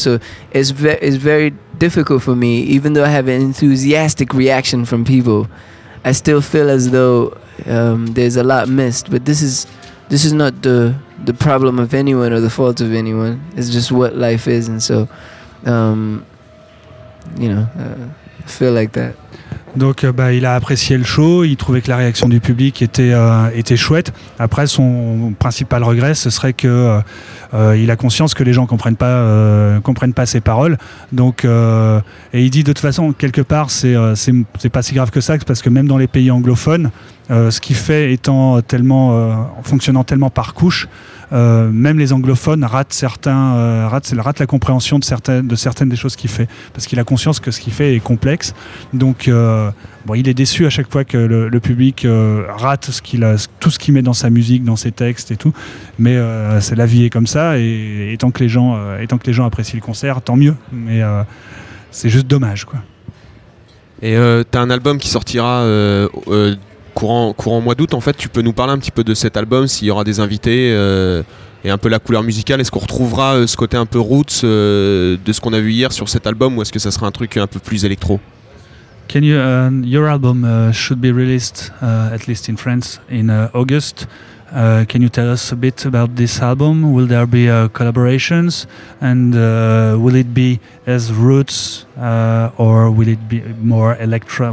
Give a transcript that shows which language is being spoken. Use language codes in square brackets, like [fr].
[en] So it's very difficult for me. Even though I have an enthusiastic reaction from people, I still feel as though there's a lot missed. But this is not the problem of anyone or the fault of anyone. It's just what life is, and so feel like that. [fr] Donc il a apprécié le show, il trouvait que la réaction du public était chouette. Après, son principal regret, ce serait qu'il a conscience que les gens comprennent pas ses paroles. Donc, et il dit de toute façon, quelque part, c'est pas si grave que ça, parce que même dans les pays anglophones, ce qu'il fait étant tellement fonctionnant tellement par couches, même les anglophones ratent la compréhension de certaines des choses qu'il fait, parce qu'il a conscience que ce qu'il fait est complexe. Donc il est déçu à chaque fois que le public rate tout ce qu'il met dans sa musique, dans ses textes et tout, mais c'est, la vie est comme ça, et tant que les gens apprécient le concert, tant mieux, mais c'est juste dommage, quoi. Et t'as un album qui sortira courant mois d'août, en fait. Tu peux nous parler un petit peu de cet album, s'il y aura des invités et un peu la couleur musicale? Est-ce qu'on retrouvera ce côté un peu roots de ce qu'on a vu hier sur cet album, ou est-ce que ça sera un truc un peu plus électro? [en] Can you, your album should be released at least in France in August. Can you tell us a bit about this album? Will there be collaborations, and will it be as roots or will it be more electro?